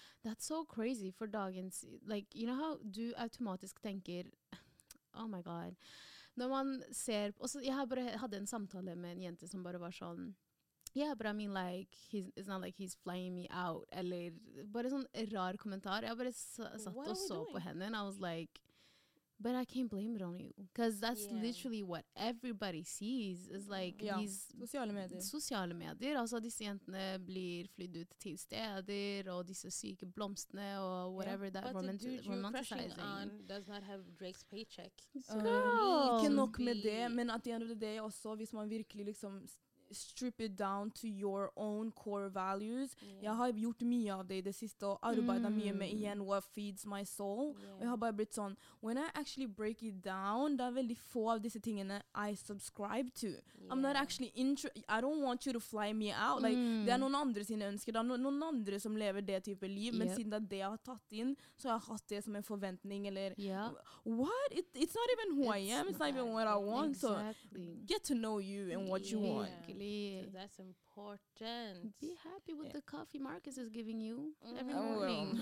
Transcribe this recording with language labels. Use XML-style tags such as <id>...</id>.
<en>That's so crazy</en> <no>for dagens,</no> <en>like, you know how</en> <no>du automatisk tenker,</no> <en>oh my god,</en> <no>når man ser, og så jeg har bare hadde en samtale med en jente som bare var sånn,</no> <en>yeah, but I mean like, it's not like he's flying me out,</en> <no>eller bare sånn rar kommentar, jeg bare satt og så på henne,</no> <en>and I was like, but I can't blame it on you. Because that's literally what everybody sees. It's like these</en> <no>sosiale medier. Sosiale medier. Altså, disse jentene blir flytt ut til steder, og disse syke blomstene, og</no> <en>whatever that romanticizing. But the dude does not have Drake's paycheck.</en> <no>Ikke nok med det, men</no> <en>at the end of the day</en> <no>også, hvis man virkelig liksom</no> <en>strip it down to your own core values.</en> <no>Jeg har gjort mye av det i det siste, og arbeidet mye med igjen</no> <en>what feeds my soul.</en> <no>Og jeg har bare blitt sånn,</no> <en>when I actually break it down,</en> <no>det er veldig få av disse tingene</no> <en>I subscribe to. I'm not actually I don't want you to fly me out.</en> <no>Like, det er noen andre sine ønsker, det er noen andre som lever det type liv, men siden det er det jeg har tatt inn, så har jeg hatt det som en forventning, eller what?</no> <en>It's not even who I am, it's not even what I want, so get to know you and what you want. So that's important. Be happy with the coffee Marcus is giving you every morning.</en>